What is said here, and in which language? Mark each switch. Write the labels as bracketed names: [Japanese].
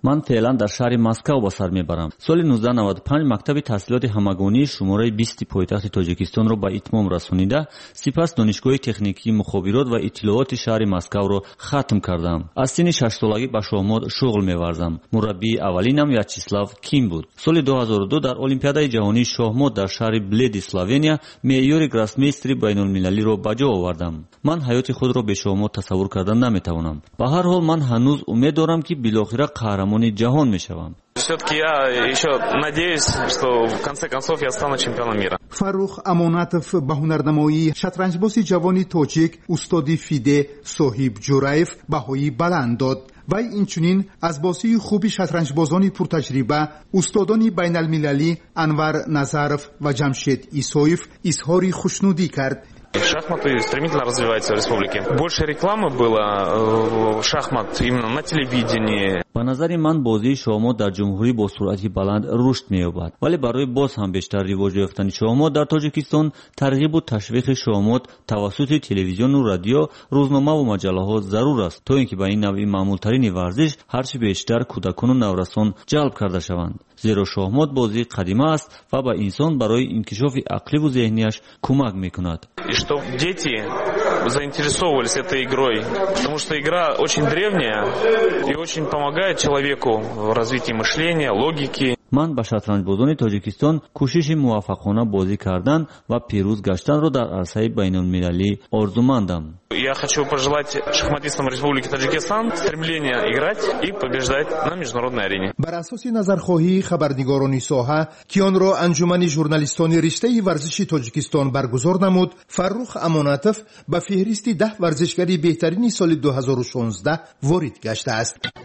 [Tajik] Ман фелан дар шаҳри Москва ба сар мебарам. Соли 1995 мактаби таҳсилоти ҳамагони шумораи 20 пойтахти Тоҷикистонро ба итмом расонида, сипас донишгоҳи техникии мухобирот ва иттилооти шаҳри Москваро хатм кардам. Аз сини 6 солагӣ ба шоҳмод шуғл меварзам. Мураббии аввалинам Вячеслав Ким буд. Соли 2002 дар олимпиадаи ҷаҳонии шоҳмод дар шаҳри Бледи, Словения, меъёри гроссмейстри байналмилалиро ба ҷо овардам. Ман ҳаёти худро бе шоҳмод тасаввур карда наметавонам. Ба ҳар ҳол ман هنوز امید دارم که بالاخره قهرمان جهان میشوم. [Russian] все-таки я ещё надеюсь, что в конце концов я стану чемпионом мира. [Tajik] Фарух Амонатов ба ҳунарнамоии шатранҷбози ҷавони тоҷик устоди Фиде Соҳиб Ҷураев баҳои баланд дод. вай инчунин аз босии хуби шатранҷбозони пуртаҷриба устодони байналмилалӣ Анвар Назаров ва Ҷамшед Исоев изҳори хушнудӣ кард. [Russian] Шахматы стремительно развиваются в республике. Больше рекламы было в шахмат именно на телевидении. [Tajik] ба назари ман бозии шоҳмод дар ҷумҳурӣ бо суръати баланд рушд меёбад, вале барои боз ҳам бештар ривоҷ ёфтани шоҳмод дар Тоҷикистон тарғибу ташвиқи шоҳмод тавассути телевизиону радио, рӯзномаву маҷалаҳо зарур аст, то ин ки ба ин навъи маъмултарини варзиш ҳарчи бештар кӯдакону наврасон ҷалб карда шаванд, зеро шоҳмод бозии қадима аст ва ба инсон барои инкишофи ақливу зеҳнияш кӯмак мекунад. [Russian] чтоб дети заинтересовывались этой игрой, потому что игра очень древняя и очень помогает человеку в развитии мышления, логики. [Tajik] ман ба шатранҷбозони Тоҷикистон кӯшиши муваффақона бозӣ кардан ва пирӯз гаштанро дар арсаи байналмилалӣ орзумандам. [Russian] я хочу пожелать шахматистам Республики Таджикистан стремление играть и побеждать на международной арене. [Tajik] бар асоси назархоҳии хабарнигорони соҳа, ки онро анҷумани журналистони риштаи варзиши Тоҷикистон баргузор намуд, Фаррух Амонатов ба феҳристи 10 варзишгари беҳтарини соли 2016 ворид гаштааст.